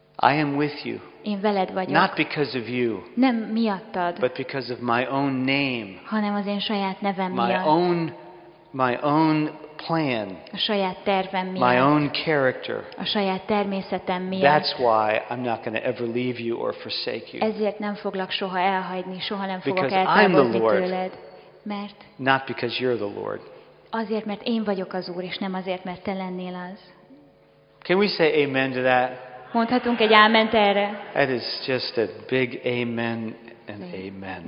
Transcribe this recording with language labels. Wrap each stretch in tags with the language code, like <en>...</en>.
<en>I am with you.</en> <hu>Én veled vagyok.</hu> <en>Not because of you.</en> <hu>Nem miattad.</hu> <en>But because of my own name.</en> <hu>Hanem az én saját nevem</hu> <en>my</en> <hu>miatt.</hu> <en>My own plan.</en> <hu>A saját tervem miatt.</hu> <en>My own character.</en> <hu>A saját természetem miatt.</hu> <en>That's why I'm not going to ever leave you or forsake you.</en> <hu>Ezért nem foglak soha elhagyni, soha nem fogok</hu> <en>because</en> <hu>eltávolni</hu> <en>I'm the Lord,</en> <hu>tőled. Mert.</hu> <en>Not because you're the Lord.</en> <hu>Azért, mert én vagyok az Úr, és nem azért, mert te lennél az.</hu> <en>Can we say amen to that?</en> <hu>Mondhatunk egy áment erre.</hu> <en>That is just a big amen and amen.</en>